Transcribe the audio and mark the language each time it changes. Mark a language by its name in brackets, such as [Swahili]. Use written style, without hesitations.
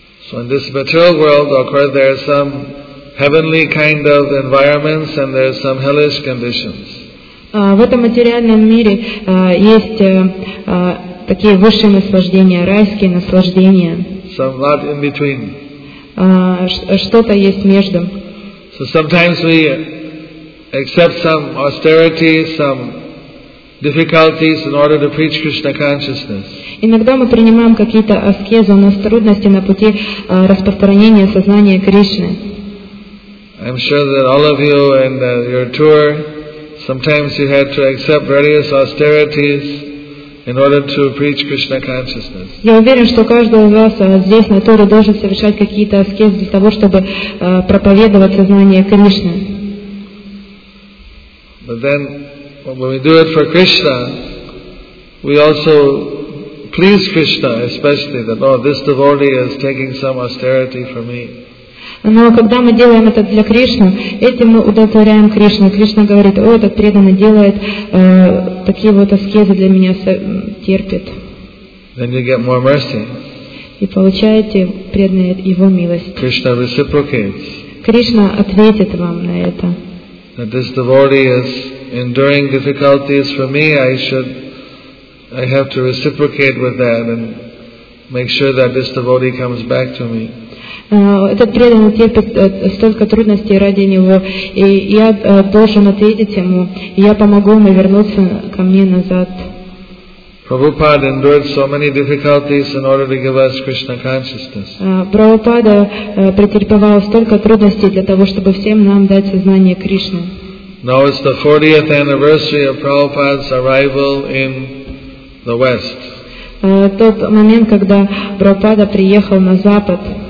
[English] So in this material world, of course, there are some heavenly kind of environments and there are some hellish conditions. [Russian] В этом материальном мире есть такие высшие наслаждения, райские наслаждения. [English] Some lot in between. [Russian] Что-то есть между. [English] So sometimes we accept some austerity, some difficulties in order to preach Krishna consciousness. [Russian] Иногда мы принимаем какие-то аскезы, у нас трудности на пути распространения сознания Кришны. [English] I'm sure that all of you in your tour, sometimes you had to accept various austerities in order to preach Krishna consciousness. [Russian] Я уверен, что каждый из вас здесь на туре должен совершать какие-то аскезы для того, чтобы проповедовать сознание Кришны. [English] But then, when we do it for Krishna, we also please Krishna, especially that, oh, this devotee is taking some austerity for me. [Russian] Но когда мы делаем это для Кришны, этим мы удовлетворяем Кришну. Кришна говорит, о, этот преданный делает такие вот аскезы для меня, терпит. [English] Then you get more mercy. [Russian] И получаете преданное его милость. [English] Krishna reciprocates. [Russian] Кришна ответит вам на это. [English] That this devotee is enduring difficulties for me, I have to reciprocate with that and make sure that this devotee comes back to me. [Russian] Этот преданный терпит столько трудностей ради него, и я должен ответить ему, и я помогу ему вернуться ко мне назад. [English] Prabhupada endured so many difficulties in order to give us Krishna consciousness. [Russian] Prabhupada претерпевал столько трудностей для того, чтобы всем нам дать сознание Кришны. [English] Now it's the 40th anniversary of Prabhupada's arrival in the West. [Russian] Тот момент, когда Прабхупада приехал на Запад.